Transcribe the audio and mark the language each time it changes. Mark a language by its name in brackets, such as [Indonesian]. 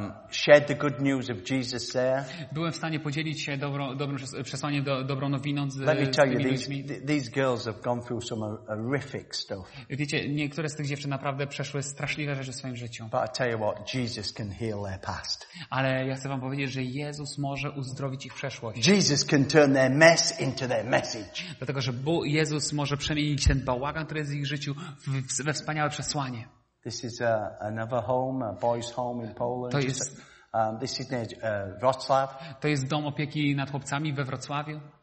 [English] Shared the good news of Jesus there. [Polish] Byłem w stanie podzielić się dobrą nowiną z tymi ludźmi. [English] These girls have gone through some horrific stuff. [Polish] Wiecie, niektóre z tych dziewczyn naprawdę przeszły straszliwe rzeczy w swoim życiu. [English] But I tell you what, Jesus can heal their past. [Polish] Ale ja chcę wam powiedzieć, że Jezus może uzdrowić ich przeszłość. [English] Jesus can turn their mess into their message. [Polish] Dlatego, że Jezus może przemienić ten bałagan, który jest w ich życiu, we wspaniałe przesłanie. [English] This is another home, a boys' home in Poland. [Polish] To jest, [English] this is near Wrocław. [Polish] To jest dom opieki nad chłopcami we Wrocławiu.